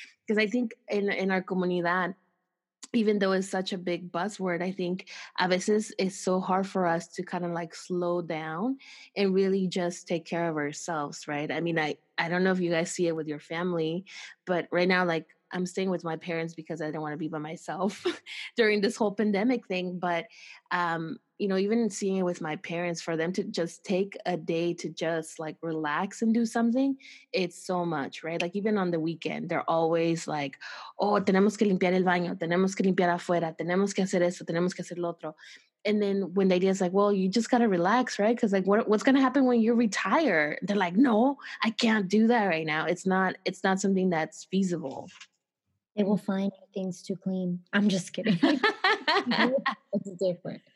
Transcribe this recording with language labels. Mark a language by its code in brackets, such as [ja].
[en] Because I think in our comunidad, even though it's such a big buzzword, I think [es] a veces [en] it's so hard for us to kind of like slow down and really just take care of ourselves, right? I mean, I don't know if you guys see it with your family, but right now, like, I'm staying with my parents because I didn't want to be by myself during this whole pandemic thing. But, you know, even seeing it with my parents, for them to just take a day to just like relax and do something, it's so much, right? Like even on the weekend, they're always like, oh, [es] tenemos que limpiar el baño, tenemos que limpiar afuera, tenemos que hacer eso, tenemos que hacer lo otro. [en] And then when the idea is like, well, you just got to relax, right? Because like, what's going to happen when you retire? They're like, no, I can't do that right now. It's not something that's feasible. They will find things to clean. I'm just kidding. It's different.